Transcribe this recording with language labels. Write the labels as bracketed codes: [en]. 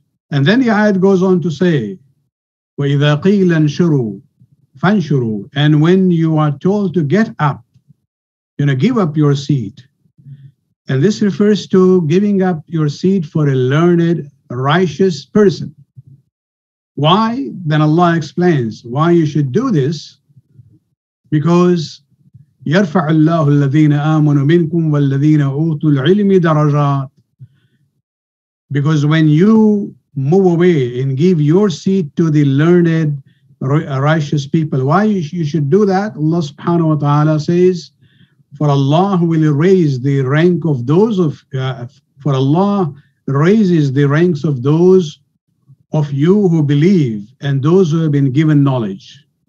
[en] And then the ayat goes on to say, [ar] وَإِذَا قِيلَ انشُرُوا فَانشُرُوا, [en] and when you are told to get up, you know, give up your seat. And this refers to giving up your seat for a learned, righteous person. Why? Then Allah explains why you should do this. [ar] Because يَرْفَعُ اللَّهُ الَّذِينَ آمَنُوا مِنْكُمْ وَالَّذِينَ أُوتُوا الْعِلْمِ دَرَجَاتٍ. [en] Because when you move away and give your seat to the learned, righteous people, why you should do that? Allah subhanahu wa ta'ala says, for Allah will raise the rank of those of, for Allah raises the ranks of those of you who believe and those who have been given knowledge.